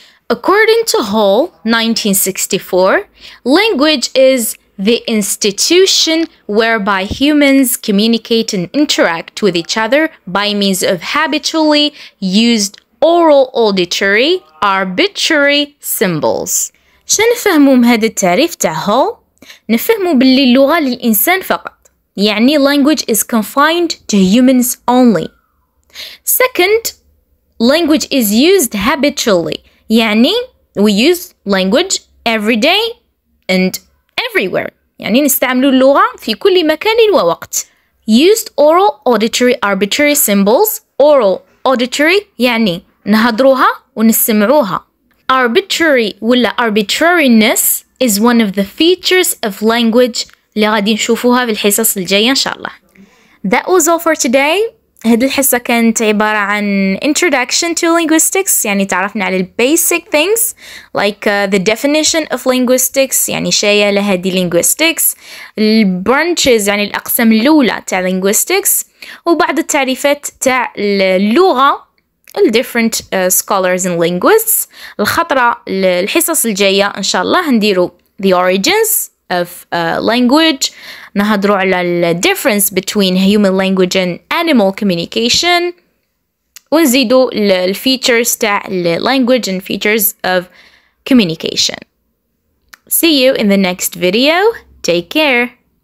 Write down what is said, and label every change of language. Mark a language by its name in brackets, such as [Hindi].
[English] According to Hall, 1964, language is the institution whereby humans communicate and interact with each other by means of habitually used oral auditory arbitrary symbols. [Arabic] شنو نفهمو من هذا التعريف تاع Hall؟ نفهمو باللي اللغة للإنسان فقط. [English] يعني language is confined to humans only. Second, language is used habitually. يعني we use language every day and everywhere. [Arabic] يعني نستعملوا اللغة في كل مكان ووقت. [English] Used oral auditory arbitrary symbols. [Arabic] Oral auditory يعني نهضروها ونسمعوها. [English] Arbitrary ولا arbitrariness is one of the features of language [Arabic] اللي غادي نشوفوها في الحصص الجاية إن شاء الله. [English] That was all for today. [Arabic] هذه الحصة كانت عبارة عن [English] introduction to linguistics, يعني تعرفنا على basic things like the definition of linguistics, يعني شاية لهذه linguistics, branches يعني الأقسام الأولى تاع linguistics, وبعض التعريفات تاع اللغة ال different scholars and linguists. [Arabic] الخطرة الحصص الجاية إن شاء الله هنديرو the origins of language, نهضروا على difference between human language and animal communication, ونزيدوا features تاع language and features of communication. [English] See you in the next video. Take care.